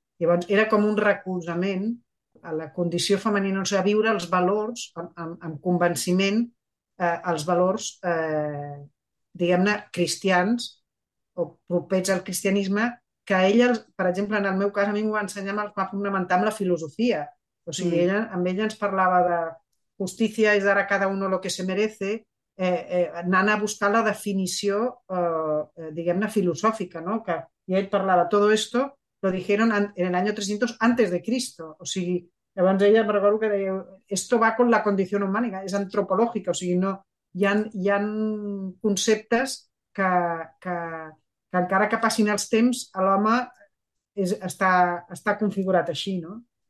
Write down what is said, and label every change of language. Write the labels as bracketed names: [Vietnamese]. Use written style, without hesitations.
[Catalan] Llavors, era com un recolzament a la condició femenina, o sigui, a viure els valors amb convenciment, els valors, diguem-ne, cristians o propers al cristianisme, que ella, per exemple, en el meu cas, a mi m'ho va ensenyar, va fonamentar amb la filosofia. O sigui, ella, amb ella ens parlava de justícia és [Spanish] dar a cada uno lo que se merece, [Catalan] anant a buscar la definició, diguem-ne, filosòfica, no? Que, i ell parlava, [Spanish] todo esto lo dijeron en el año 300 antes de Cristo. [Catalan] O sigui, abans ella em recordo que deia [Spanish] esto va con la [Catalan] condició humana, és antropològica, o sigui, no, hi han conceptes que encara que passin els temps, l'home està configurat així, no?